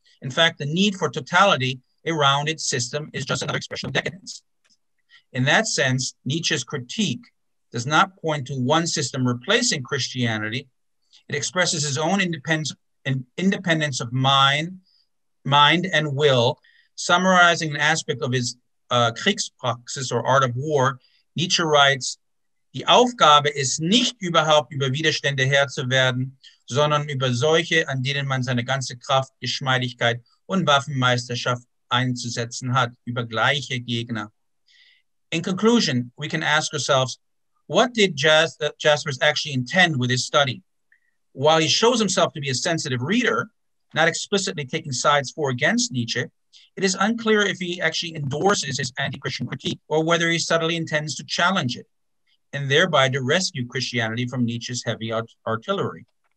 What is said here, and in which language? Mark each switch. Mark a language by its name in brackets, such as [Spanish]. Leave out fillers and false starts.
[English] In fact, the need for totality, a rounded system, is just another expression of decadence. In that sense, Nietzsche's critique does not point to one system replacing Christianity. It expresses his own independence of mind and will. Summarizing an aspect of his Kriegspraxis, or art of war, Nietzsche writes, [German] die Aufgabe ist nicht überhaupt über Widerstände Herr zu werden, sondern über solche, an denen man seine ganze Kraft, Geschmeidigkeit und Waffenmeisterschaft einzusetzen hat, über gleiche Gegner. [English] In conclusion, we can ask ourselves, what did Jaspers actually intend with his study? While he shows himself to be a sensitive reader, not explicitly taking sides for or against Nietzsche, it is unclear if he actually endorses his anti-Christian critique or whether he subtly intends to challenge it, and thereby to rescue Christianity from Nietzsche's heavy artillery.